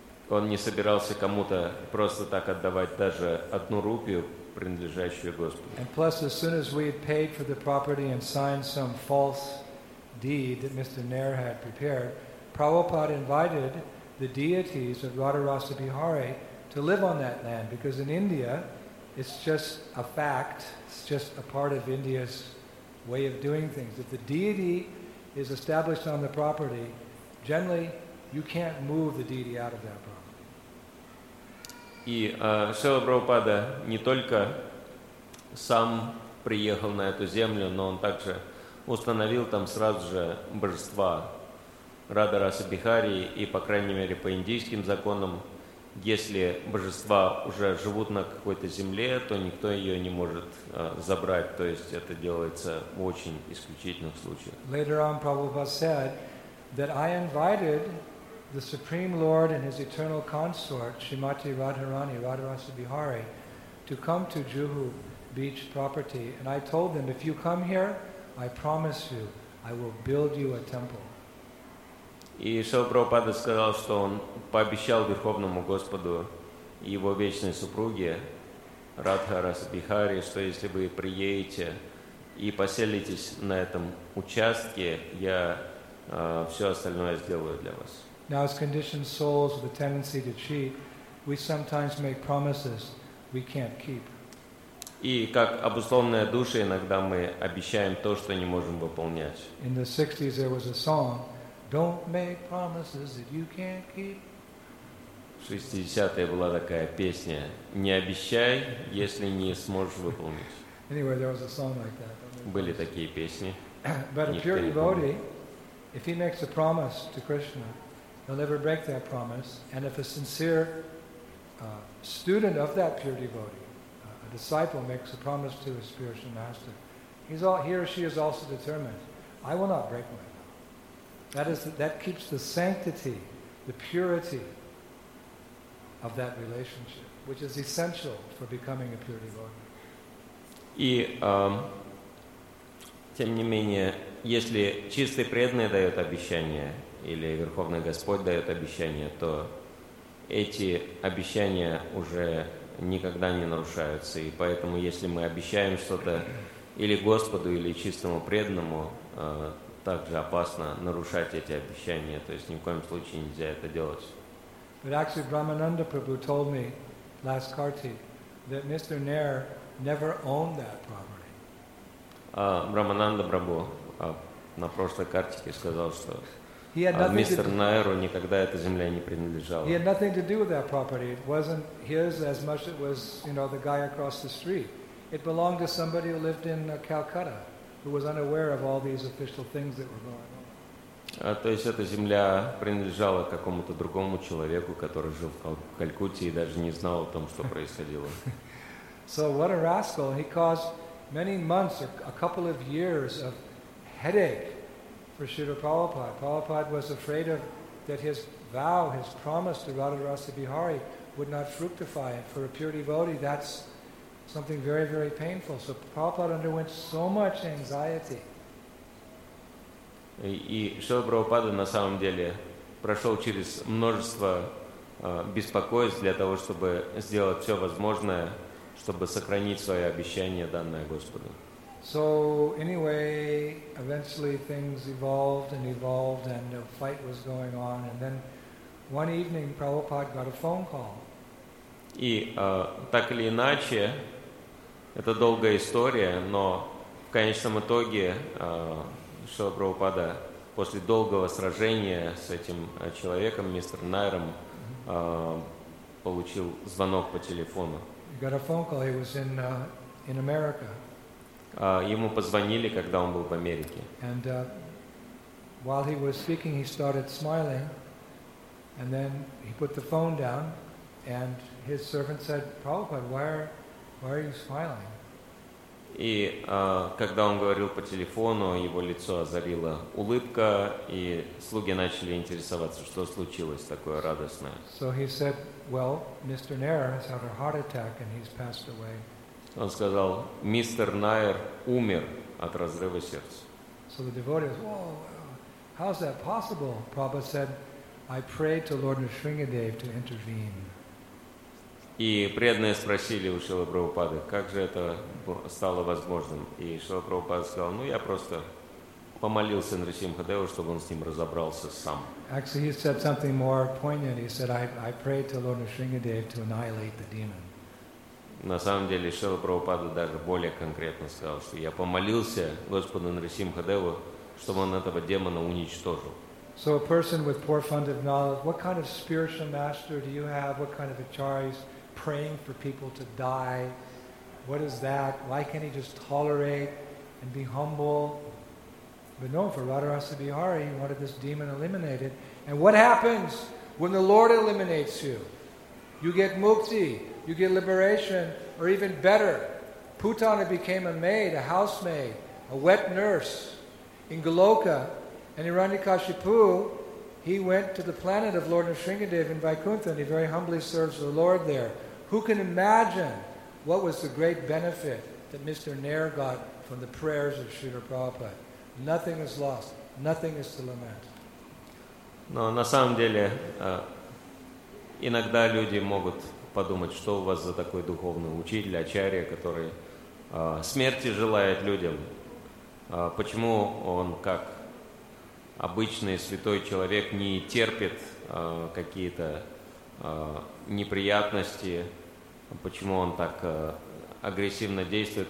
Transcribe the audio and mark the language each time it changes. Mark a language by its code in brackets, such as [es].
[ru] Он не собирался кому-то просто так отдавать даже одну рупию, принадлежащую Господу. [en] And plus, as soon as we had paid for the property and signed some false deed that Mr. Nair had prepared, Prabhupada invited the deities of Radharasa Bihari to live on that land, because in India, it's just a fact, it's just a part of India's way of doing things. If the deity is established on the property, generally, you can't move the deity out of that property. [ru] И Шрила Прабхупада не только сам приехал на эту землю, но он также установил там сразу же божества Радхараса Бихари, и, по крайней мере, по индийским законам, если божества уже живут на какой-то земле, то никто ее не может забрать, то есть это делается в очень исключительных случаях. [en] Later on, Prabhupada said that I invited the Supreme Lord and His Eternal Consort, Srimati Radharani, Radharasa Bihari, to come to Juhu Beach property. And I told them, if you come here, I promise you, I will build you a temple. [ru] И Шрила Прабхупада сказал, что он пообещал Верховному Господу и его вечной супруге, Радхараса Бихари, что если вы приедете и поселитесь на этом участке, я все остальное сделаю для вас. [en] Now, as conditioned souls with a tendency to cheat, we sometimes make promises we can't keep. [ru] И как обусловленные души иногда мы обещаем то, что не можем выполнять. [en] In the 60s, there was a song, "Don't make promises that you can't keep." [ru] В 60-е была такая песня, "Не обещай, если не сможешь выполнить." [en] Anyway, there was a song like that. [ru] Были такие песни. [en] But a pure devotee, if he makes a promise to Krishna, he'll never break that promise. And if a sincere student of that pure devotee, a disciple, makes a promise to his spiritual master, he or she is also determined, I will not break my vow. That keeps the sanctity, the purity of that relationship, which is essential for becoming a pure devotee. [ru] И, тем не менее, если чистый преданный дает обещание, или Верховный Господь дает обещание, то эти обещания уже никогда не нарушаются. И поэтому, если мы обещаем что-то или Господу, или чистому преданному, также опасно нарушать эти обещания. То есть ни в коем случае нельзя это делать. [en] But actually, Brahmananda Prabhu told me last Karti that Mr. Nair never owned that property. [ru] Брамананда Прабху на прошлой Картике сказал, что [en] He had nothing [ru] Мистер Найру никогда эта земля не принадлежала. [en] He had nothing to do with that property. It wasn't his as much as it was, you know, the guy across the street. It belonged to somebody who lived in Calcutta, who was unaware of all these official things that were going on. [ru] То есть эта земля принадлежала какому-то другому человеку, который жил в Калькутте и даже не знал о том, что происходило. [en] So what a rascal. He caused many months or a couple of years of headache for Srila Prabhupada. Prabhupada was afraid of that his vow, his promise to Radharasa Bihari would not fructify. And for a pure devotee, that's something very, very painful. So Prabhupada underwent so much anxiety. [ru] И Шрила Прабхупада на самом деле прошел через множество беспокойств для того, чтобы сделать все возможное, чтобы сохранить свое обещание, данное Господу. [en] So anyway, eventually things evolved, and a fight was going on. And then one evening, Prabhupada got a phone call. [ru] И так или иначе, это долгая история, но в конечном итоге Шрила Прабхупада после долгого сражения с этим человеком, мистер Найром, получил звонок по телефону. Ему позвонили, когда он был в Америке. [en] And while he was speaking, he started smiling, and then he put the phone down, and his servant said, "Prabhupada, why are you smiling?" [ru] И когда он говорил по телефону, его лицо озарила улыбка, и слуги начали интересоваться, что случилось такое радостное. [en] So he said, "Well, Mr. Nair has had a heart attack and he's passed away." [ru] Он сказал, мистер Найер умер от разрыва сердца. [en] So the devotee said, "Whoa, how's that possible?" Prabhupada said, "I prayed to Lord Nrisimhadev to intervene." [ru] И преданные спросили у Шрилы Прабхупады, как же это стало возможным. И Шрила Прабхупада сказал, ну я просто помолился Нрисимхадеву, чтобы он с ним разобрался сам. [en] Actually, he said something more poignant. He said, I prayed to Lord Nrisimhadev to annihilate the demon. [ru] На самом деле, Шрила Прабхупада даже более конкретно сказал, что я помолился Господу Нрисимхадеву, чтобы он этого демона уничтожил. [en] So a person with poor fund of knowledge, what kind of spiritual master do you have? What kind of acharyas praying for people to die? What is that? Why can't he just tolerate and be humble? But no, for Radharasa Bihari, he wanted this demon eliminated. And what happens when the Lord eliminates you? You get mukti, you get liberation, or even better, Putana became a maid, a housemaid, a wet nurse in Goloka. And Hiranyakashipu, he went to the planet of Lord Nrisimhadev in Vaikuntha, and he very humbly serves the Lord there. Who can imagine what was the great benefit that Mr. Nair got from the prayers of Srila Prabhupada? Nothing is lost. Nothing is to lament. [ru] Но на самом деле, иногда люди могут подумать, что у вас за такой духовный учитель, ачарья, который смерти желает людям. Почему он как обычный святой человек не терпит какие-то неприятности, почему он так агрессивно действует.